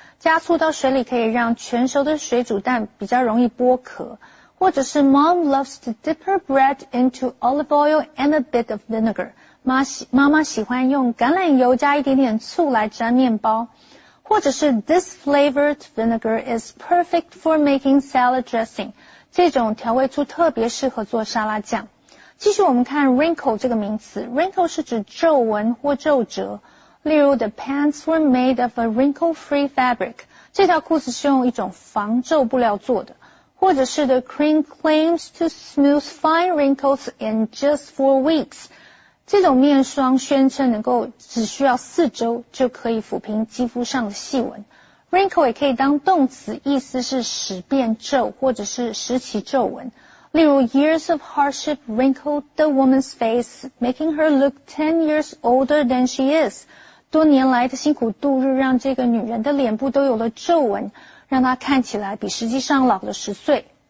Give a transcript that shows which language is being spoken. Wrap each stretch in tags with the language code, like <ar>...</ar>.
<zh>加醋到水里可以让全熟的水煮蛋比较容易剥壳。或者是</zh> <en>，Mom loves to dip her bread into olive oil and a bit of vinegar。</en> <zh>妈妈喜欢用橄榄油加一点点醋来沾面包。或者是</zh> <en>this flavored vinegar is perfect for making salad dressing.</en> <zh>这种调味醋特别适合做沙拉酱。继续我们看 wrinkle 这个名词。Wrinkle 是指皱纹或皱褶。例如</zh> <en>the pants were made of a wrinkle-free fabric.</en> <zh>这条裤子是用一种防皱布料做的。或者是</zh> <en>the cream claims to smooth fine wrinkles in just 4 weeks.</en> <zh>这种面霜宣称能够只需要4周就可以抚平肌肤上的细纹。 Wrinkle 也可以当动词，意思是使变皱或者是使起皱纹。例如</zh> <en>,years of hardship wrinkled the woman's face, making her look 10 years older than she is.</en> <zh>多年来的辛苦度日让这个女人的脸部都有了皱纹，让她看起来比实际上老了10岁。</zh>